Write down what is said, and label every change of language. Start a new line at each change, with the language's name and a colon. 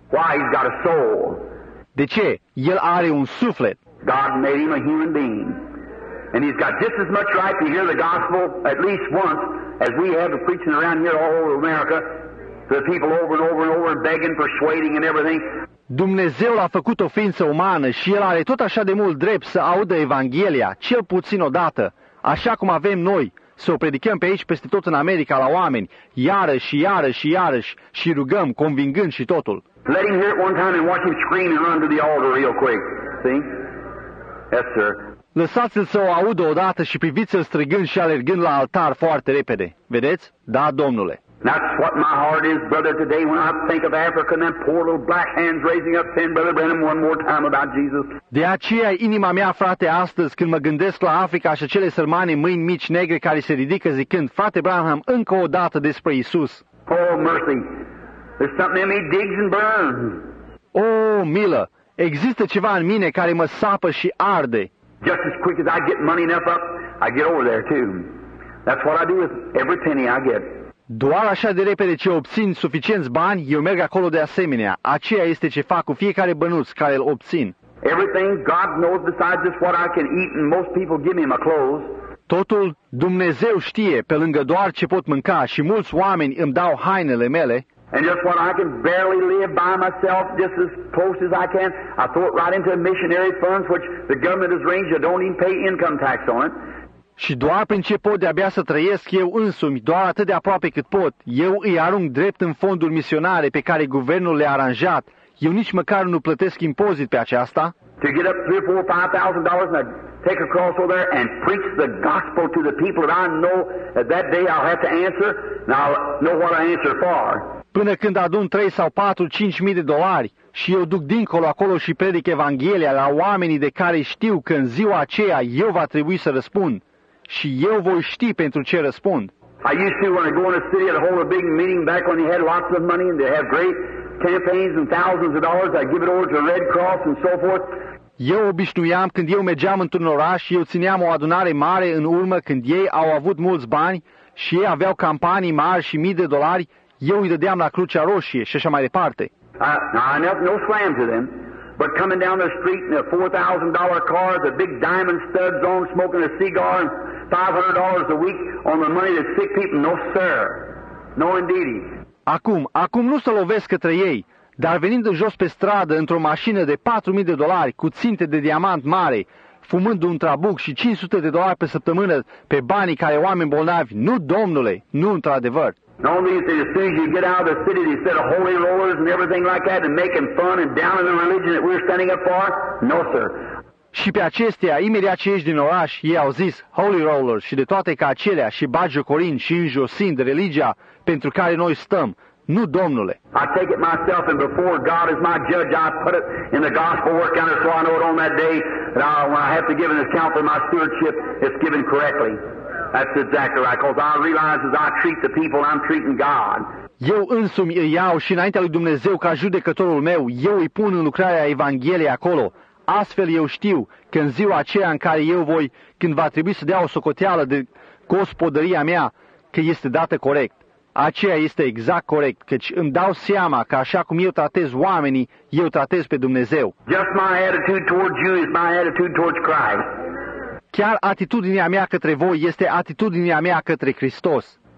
English: Why, he's got a soul.
Romanian: De ce? El are un suflet.
English: God made him a human being. And he's got just as much right to hear the gospel at least once as we have preaching around here all over America to the people over and over and over begging, persuading and everything.
Romanian: Dumnezeu l-a făcut o ființă umană și el are tot așa de mult drept să audă Evanghelia, cel puțin o dată, așa cum avem noi, să o predicăm pe aici peste tot în America la oameni, iarăși și iarăși și iarăși și rugăm, convingând și totul.
English: Let him hear it one time and watch him scream and run to the altar real quick. See? Yes, sir.
Romanian: Lăsați-l să o audă odată și priviți-l strigând și alergând la altar foarte repede. Vedeți? Da, Domnule.
English: That's what my heart is, brother, today when I think of Africa and them poor little black hands raising up saying, Brother Branham, one more time about Jesus.
Romanian: De aceea inima mea, frate, astăzi când mă gândesc la Africa și acele sărmane mâini mici negre care se ridică zicând, Frate Branham, încă o dată despre Isus.
English: Oh, mercy. There's something in me digs and burns.
Romanian: Oh, milă. Există ceva în mine care mă sapă și arde.
English: Just as quick as I get money enough up, I get over there too. That's what I do with every penny I get.
Romanian: Doar așa de repede ce obțin suficienți bani, eu merg acolo de asemenea. Aceea este ce fac cu fiecare bănuț care îl obțin.
English: Everything God knows besides just what I can eat and most people give me my clothes.
Romanian: Totul Dumnezeu știe pe lângă doar ce pot mânca și mulți oameni îmi dau hainele mele.
English: And just what I can barely live by myself, just as close as I can, I throw it right into a missionary fund, which the government has arranged, I don't even pay income tax on it.
Romanian: Și doar prin ce pot de-abia să trăiesc eu însumi, doar atât de aproape cât pot, eu îi arunc drept în fondul misionare pe care guvernul le-a aranjat. Eu nici măcar nu plătesc impozit pe aceasta.
English: To get up $3,000-$5,000 and I take a cross over there and preach the gospel to the people that I know that day I'll have to answer, and I'll know what I answer for.
Romanian: Până când adun 3 sau 4, 5 mii de dolari și eu duc dincolo acolo și predic Evanghelia la oamenii de care știu că în ziua aceea eu va trebui să răspund. Și eu voi ști pentru ce răspund.
English: I used to when I go in a city and hold a big meeting back when they had lots of money and they have great campaigns and thousands of dollars, I give it over to the Red Cross and so forth.
Romanian: Eu obișnuiam când eu mergeam într-un oraș și eu țineam o adunare mare în urmă când ei au avut mulți bani și ei aveau campanii mari și mii de dolari, eu îi dădeam la Crucea Roșie și așa mai departe.
English: No slam to them. But coming down the street in a $4,000 car, the big diamond studs on, smoking a cigar, and $500 a week on the money that sick people, no sir, no indeedy.
Romanian: Acum nu se lovesc către ei, dar venind în jos pe stradă într-o mașină de $4,000 cu ținte de diamant mare, fumând un trabuc și $500 pe săptămână pe banii care oameni bolnavi, nu domnule, nu într-adevăr.
English: No, these as soon as you get out of the city, they set of holy rollers and everything like that and making fun and down in the religion that we're standing up for? No, sir.
Romanian: Și pe acestea, imediat ce ieși din oraș, ei au zis,
English: holy rollers
Romanian: și de toate ca acelea și bagiocorind și înjosind religia pentru care noi stăm. Nu, domnule.
English: I take it myself and before God is my judge, I put it in the gospel work counter so I know it on that day that when I have to give an account for my stewardship, it's given correctly. That's exactly right, because I realize as I treat the people, I'm treating God.
Romanian: Eu însumi îi iau și înaintea lui Dumnezeu ca judecătorul meu, eu îi pun în lucrarea Evangheliei acolo. Astfel eu știu că în ziua aceea în care eu voi, când va trebui să dea o socoteală de gospodăria mea, că este dată corect. Aceea este exact corect, căci îmi dau seama că așa cum eu tratez oamenii, eu tratez pe Dumnezeu.
English: Just my attitude towards you is my attitude towards Christ.
Romanian: Chiar atitudinea mea către voi este atitudinea mea către Hristos.